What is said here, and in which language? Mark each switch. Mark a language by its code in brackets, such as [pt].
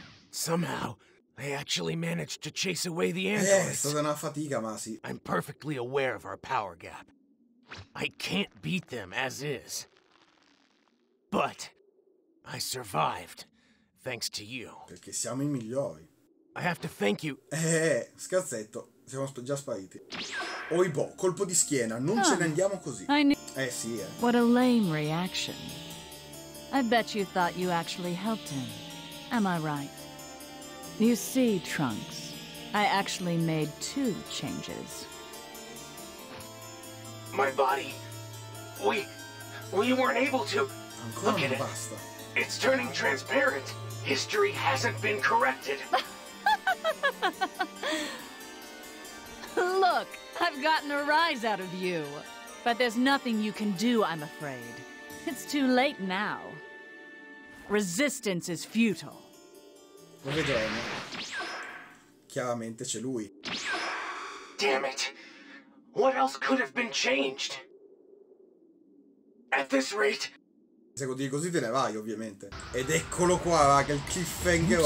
[en] Somehow they actually managed to chase away the androids. [it] È stata una fatica, ma sì. [en] I'm perfectly aware of our power gap. I can't beat them as is. But I survived thanks to you. [it] Perché siamo i migliori. [en] I have to thank you. [it] Scherzetto, siamo già spariti. Oibò, colpo di schiena, non ce ne andiamo così. [en] What a lame reaction. I bet you thought you actually helped him. Am I right? You see, Trunks, I actually made two changes. My body. We weren't able to. Look at it. It's turning transparent. History hasn't been corrected. Look, I've gotten a rise out of you. But there's nothing you can do, I'm afraid. It's too late now. Resistance is futile. [it] Lo vedremo. Chiaramente c'è lui. [en] Damn it. What else could have been changed? At this rate. [it] Se continui così te ne vai, ovviamente. Ed eccolo qua, raga, il cliffhangerone.